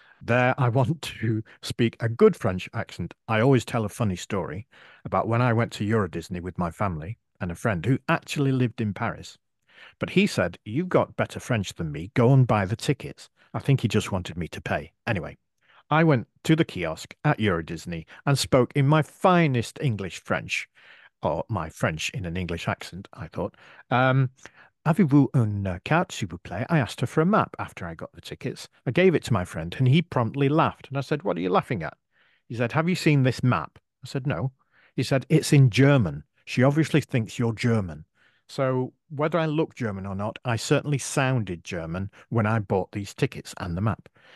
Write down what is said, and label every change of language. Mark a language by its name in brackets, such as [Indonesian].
[English] There I want to speak a good French accent. I always tell a funny story about when I went to Euro Disney with my family and a friend who actually lived in Paris. But he said, you've got better French than me. Go and buy the tickets. I think he just wanted me to pay. Anyway, I went to the kiosk at Euro Disney and spoke in my finest English French, or my French in an English accent, I thought. [French] Avez-vous une carte, s'il vous plaît? [English] I asked her for a map after I got the tickets. I gave it to my friend and he promptly laughed. And I said, what are you laughing at? He said, have you seen this map? I said, no. He said, it's in German. She obviously thinks you're German. So whether I look German or not, I certainly sounded German when I bought these tickets and the map.